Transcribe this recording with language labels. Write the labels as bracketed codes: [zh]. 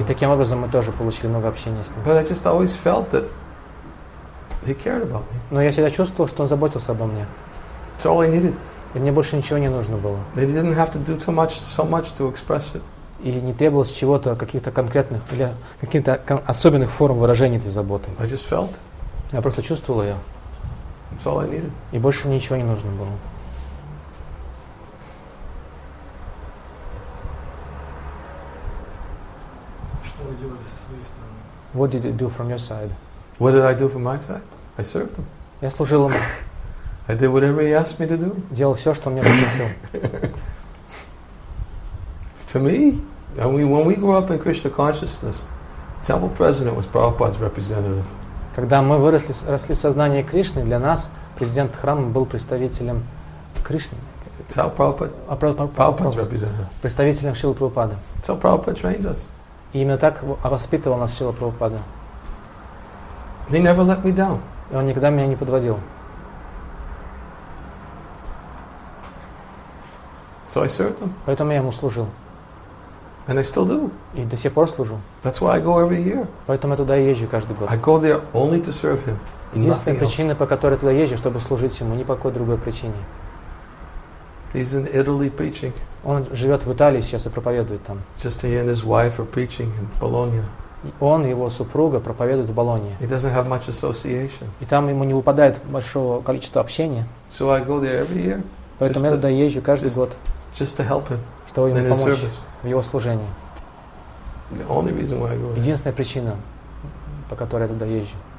[ru] И таким образом мы тоже получили много общения с ним. [en] But I just always felt that he cared about me. [ru] Но я всегда чувствовал, что он заботился обо мне. [en] It's all I needed. [ru] И мне больше ничего не нужно было. [en] And he didn't have to do so much to express it. [ru] И не требовалось чего-то, каких-то конкретных или каких-то особенных форм выражения этой заботы. [en] I just felt. [ru] Я просто чувствовал ее. [en] That's all I needed. [ru] И больше мне ничего не нужно было. Что вы делали со своей стороны? [en] What did you do from your side? What did I do from my side? I served him. [ru] Я служил ему. [en] I did whatever he asked me to do. [ru] Делал все, что он мне попросил. [en] For me, when we grew up in Krishna consciousness, the temple president was Prabhupada's representative. [ru] Когда мы выросли, росли в сознании Кришны, для нас президент храма был представителем Кришны. [en] Tell Prabhupada's representative. [ru] Представителем Шрилы Прабхупады. [en] Tell Prabhupada trained us. [ru] И именно так воспитывал нас Шрила Прабхупада. [en] He never let me down. [ru] И он никогда меня не подводил. [en] So I served him. [ru] Поэтому я ему служил. [en] And I still do. [ru] И до сих пор служу. [en] That's why I go every year. [ru] Поэтому я туда и езжу каждый год. [en] I go there only to serve him. [ru] Единственная причина, по которой туда езжу, чтобы служить ему, ни по какой другой причине. [en] He's in Italy preaching. [ru] Он живет в Италии сейчас и проповедует там. [en] Just he and his wife are preaching in Bologna. [ru] Он и его супруга проповедуют в Болонье. [en] He doesn't have much association. [ru] И там ему не выпадает большого количества общения. [en] So I go there every year. [ru] Поэтому я туда езжу каждый год. [en] Just to help him. [ru] Чтобы ему помочь в его служении. [en] The only reason why I go. [ru] Единственная причина, по которой я туда езжу.